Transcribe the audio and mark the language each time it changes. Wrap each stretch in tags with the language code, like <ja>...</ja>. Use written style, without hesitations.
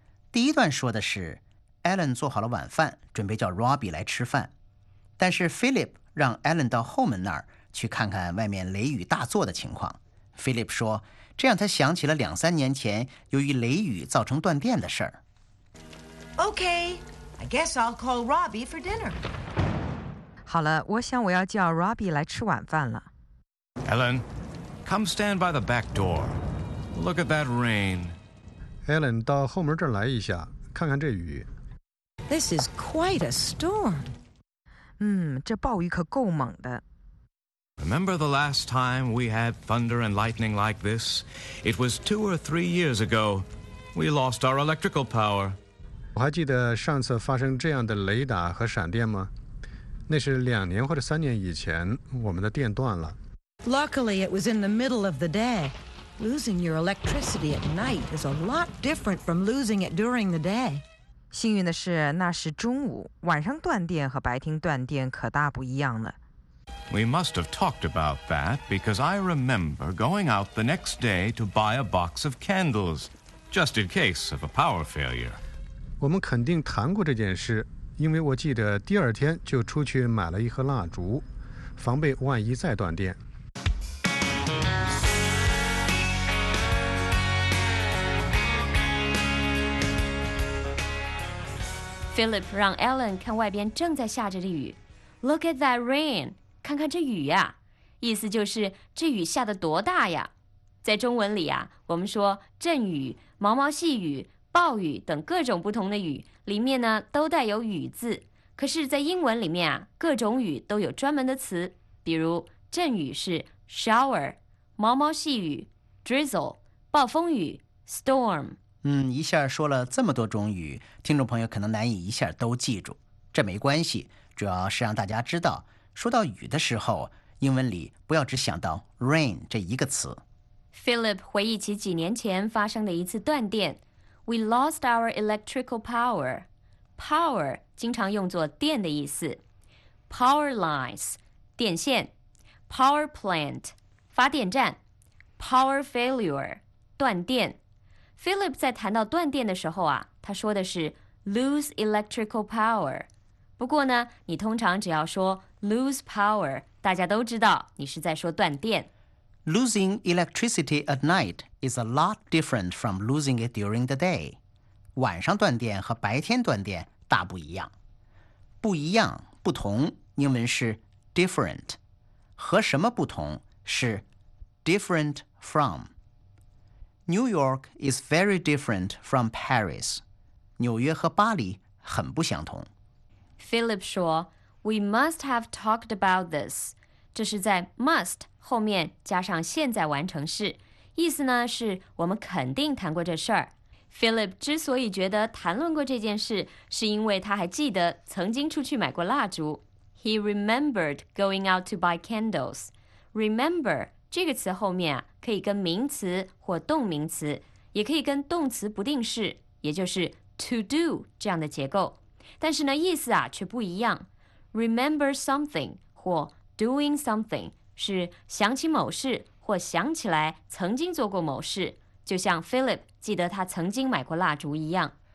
<zh>第一段说的是 Alan 做好了晚饭，准备叫 Robbie 来吃饭，但是 Philip 让 Alan 到后门那儿去看看外面雷雨大作的情况。 Philip 说这样他想起了两三年前由于雷雨造成断电的事儿。</zh> <en>Okay, I guess I'll call Robbie for dinner.</en> <zh>好了，我想我要叫 Robbie 来吃晚饭了。</zh> <en>Alan, come stand by the back door. Look at that rain.</en> <zh>Alan, 到后门这儿来一下，看看这雨。</zh> <en>This is quite a storm.</en> <zh>这暴雨可够猛的。</zh> <en>Remember the last time we had thunder and lightning like this? It was 2 or 3 years ago. We lost our electrical power.</en> <zh>我还记得上次发生这样的雷打和闪电吗？那是2年或者3年以前，我们的电断了。</zh> <en>Luckily, it was in the middle of the day. Losing your electricity at night is a lot different from losing it during the day.</en> <zh>幸运的是，那是中午，晚上断电和白天断电可大不一样了。</zh> <en>We must have talked about that because I remember going out the next day to buy a box of candles, just in case of a power failure.</en> <zh>我们肯定谈过这件事，因为我记得第二天就出去买了一盒蜡烛，防备万一再断电。 Philip 让 Alan 看外边正在下着的雨。</zh> <en>Look at that rain.</en> <zh>看看这雨呀、意思就是这雨下得多大呀。在中文里我们说阵雨、毛毛细雨、暴雨等各种不同的雨里面呢都带有雨字，可是在英文里面各种雨都有专门的词，比如阵雨是 shower， 毛毛细雨 drizzle， 暴风雨 storm。一下说了这么多种雨，听众朋友可能难以一下都记住，这没关系，主要是让大家知道说到雨的时候，英文里不要只想到 rain 这一个词。 Philip 回忆起几年前发生的一次断电。</zh> <en>We lost our electrical power.</en> <zh>Power 经常用作电的意思。 Power lines 电线。 Power plant 发电站。 Power failure 断电。 Philip 在谈到断电的时候他说的是</zh> <en>lose electrical power。</en> <zh>不过呢，你通常只要说lose power， 大家都知道你是在说断电。</zh> <en>Losing electricity at night is a lot different from losing it during the day.</en> <zh>晚上断电和白天断电大不一样。不一样，不同，英文是 different。和什么不同是 different from。</zh> <en>New York is very different from Paris.</en> <zh>纽约和巴黎很不相同。</zh> <en>Philip 说We must have talked about this.</en> <zh>这是在 must 后面加上现在完成式，意思呢是我们肯定谈过这事儿。 Philip 之所以觉得谈论过这件事，是因为他还记得曾经出去买过蜡烛。</zh> <en>He remembered going out to buy candles.</en> <zh>Remember 这个词后面可以跟名词或动名词，也可以跟动词不定式，也就是 to do 这样的结构，但是呢意思却不一样。 Remember something 或 doing something 是想起某事或想起来曾经做过某事，就像 Philip 记得他曾经买过蜡烛一样。</zh>